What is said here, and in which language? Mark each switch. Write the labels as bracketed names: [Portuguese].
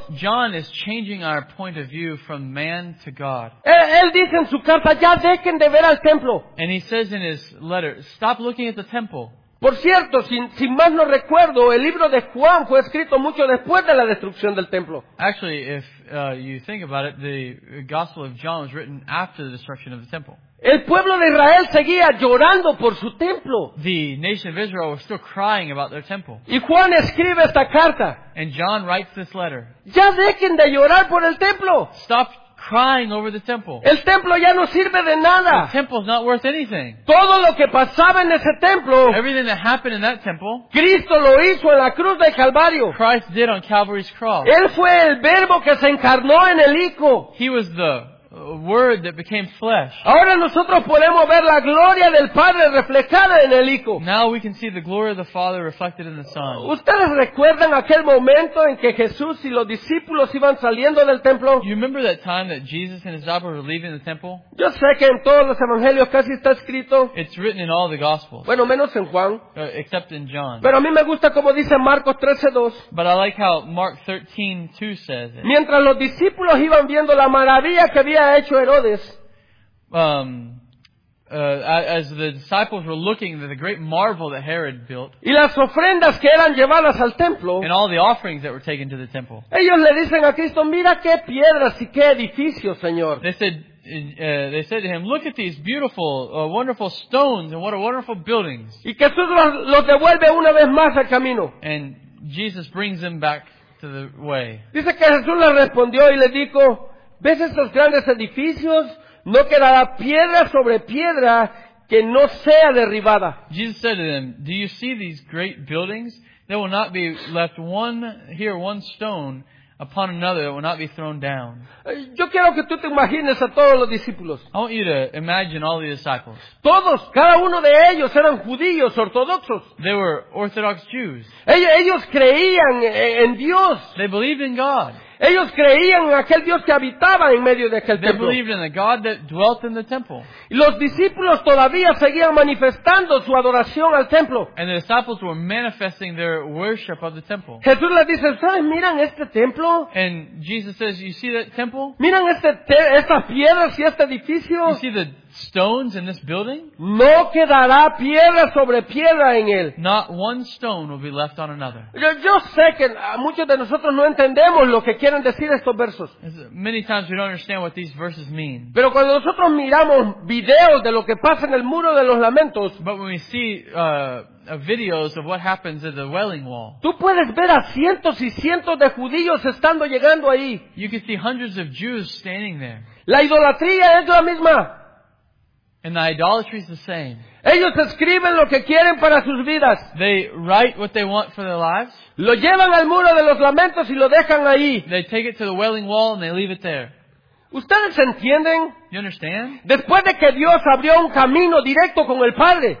[English] John is changing our point of view from man to God. [Spanish] Él dice en su carta, ya dejen de ver al templo. [English] And he says in his letter, stop looking at the temple. [Spanish] Por cierto, sin más no recuerdo, el libro de Juan fue escrito mucho después de la destrucción del templo. [English] Actually, if you think about it, the Gospel of John was written after the destruction of the temple. [Spanish] El pueblo de Israel seguía llorando por su templo. [English] The nation of Israel was still crying about their temple. [Spanish] Y Juan escribe esta carta. [English] And John writes this letter. [Spanish] Ya dejen de llorar por el templo. [English] Stop crying over the temple. [Spanish] El templo ya no sirve de nada. [English] The temple is not worth anything. [Spanish] Todo lo que pasaba en ese templo, [English] everything that happened in that temple, [Spanish] Cristo lo hizo en la cruz del Calvario. [English] Christ did on Calvary's cross. [Spanish] Él fue el verbo que se encarnó en el Hijo. [English] He was the word that became flesh. [Spanish] Ahora nosotros podemos ver la gloria del Padre reflejada en el Hijo. [English] Now we can see the glory of the Father reflected in the Son. [Spanish] ¿Ustedes recuerdan aquel momento en que Jesús y los discípulos iban saliendo del templo? [English] You remember that time that Jesus and his disciples were leaving the temple? [Spanish] Yo sé que en todos los evangelios casi está escrito. [English] It's written in all the gospels. [Spanish] Bueno, menos en Juan. [English] Except in John. [Spanish] Pero a mí me gusta como dice Marcos 13:2. [English] But I like how Mark 13:2 says it. [Spanish] Mientras los discípulos iban viendo la maravilla que había hecho Herodes. [English] As the disciples were looking at the great marvel that Herod built, [Spanish] y las ofrendas que eran llevadas al templo, [English] and all the offerings that were taken to the temple, [Spanish] ellos le dicen a Cristo, mira qué piedras y qué edificio, Señor. [English] They said to him, look at these beautiful, wonderful stones and what a wonderful buildings. [Spanish] Y Jesús los devuelve una vez más al camino. [English] And Jesus brings them back to the way. [Spanish] Dice que Jesús le respondió y le dijo, ¿ves estos grandes edificios? No quedará piedra sobre piedra que no sea derribada. [English] Jesus said to them, do you see these great buildings? There will not be left one here, one stone upon another that will not be thrown down. [Spanish] Yo quiero que tú te imagines a todos los discípulos. [English] I want you to imagine all the disciples. [Spanish] Todos, cada uno de ellos eran judíos ortodoxos. [English] They were Orthodox Jews. [Spanish] Ellos creían en Dios. [English] They believed in God. [Spanish] Ellos creían en aquel Dios que habitaba en medio de aquel templo. [English] They believed in the God that dwelt in the temple. [Spanish] Y los discípulos todavía seguían manifestando su adoración al templo. [English] And the disciples were manifesting their worship of the temple. [Spanish] Jesús les dice, ¿ustedes miran este templo? [English] And Jesus says, you see that temple? [Spanish] ¿Miran estas piedras y este edificio? [English] You see the stones in this building? [Spanish] No quedará piedra sobre piedra en él. [English] Not one stone will be left on another. [Spanish] Yo sé que muchos de nosotros no entendemos lo que quieren decir estos versos. [English] Many times we don't understand what these verses mean. [Spanish] Pero cuando nosotros miramos videos de lo que pasa en el Muro de los Lamentos, [English] but when we see videos of what happens at the Wailing Wall, [Spanish] tú puedes ver a cientos y cientos de judíos estando llegando ahí. [English] You can see hundreds of Jews standing there. [Spanish] La idolatría es la misma. [English] And the idolatry is the same. [Spanish] Ellos escriben lo que quieren para sus vidas. [English] They write what they want for their lives. [Spanish] Lo llevan al Muro de los Lamentos y lo dejan ahí. [English] They take it to the Wailing Wall and they leave it there. [Spanish] ¿Ustedes entienden? [English] You understand? [Spanish] Después de que Dios abrió un camino directo con el Padre,